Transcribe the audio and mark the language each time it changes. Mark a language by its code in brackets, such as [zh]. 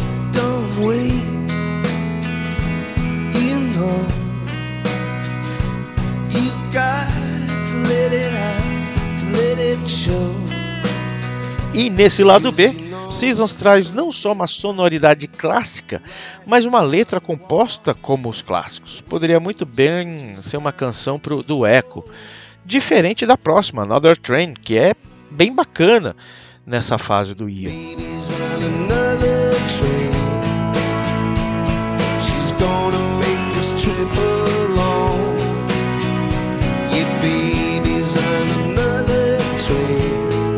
[en] Don't wait, you know you got to let it out, to let it show. [pt] E nesse lado B, Seasons traz não só uma sonoridade clássica, mas uma letra composta como os clássicos. Poderia muito bem ser uma canção do Echo. Diferente da próxima, Another Train, que é bem bacana nessa fase do Ian. [en] Baby's on another train. She's gonna make this trip alone. Yeah, baby's on another train.